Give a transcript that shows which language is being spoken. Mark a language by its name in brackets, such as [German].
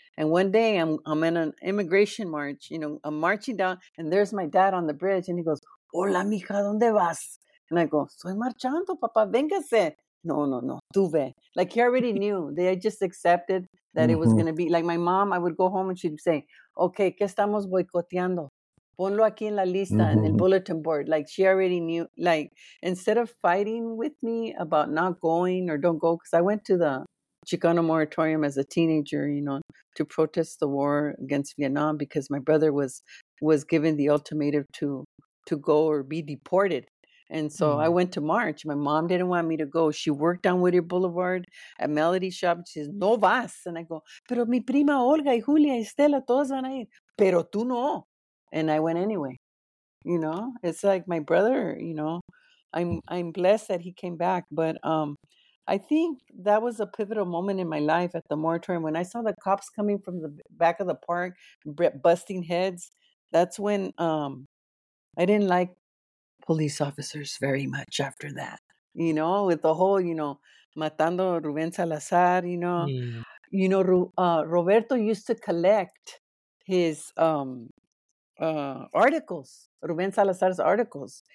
[English] And one day I'm in an immigration march, you know, I'm marching down and there's my dad on the bridge and he goes, [Spanish] hola, mija, ¿dónde vas? [English] And I go, [Spanish] soy marchando, papá, véngase. No, tú ve. [English] Like he already knew. They had just accepted that it was going to be, like my mom, I would go home and she'd say, okay, [Spanish] ¿qué estamos boicoteando? Ponlo aquí en la lista, en el bulletin board. [English] Like she already knew, like instead of fighting with me about not going or don't go, because I went to the Chicano moratorium as a teenager, you know, to protest the war against Vietnam because my brother was given the ultimatum to go or be deported. And so I went to march. My mom didn't want me to go. She worked on Whittier Boulevard at Melody Shop. [Spanish] She says, no vas. [English] And I go, [Spanish] pero mi prima Olga y Julia y Estela, todas van a ir. Pero tú no. [English] And I went anyway. You know, it's like my brother, you know, I'm blessed that he came back. But I think that was a pivotal moment in my life at the moratorium. When I saw the cops coming from the back of the park, busting heads, that's when I didn't like police officers very much after that, you know, with the whole, you know, matando Ruben Salazar, you know, you know, Roberto used to collect his articles, Ruben Salazar's articles.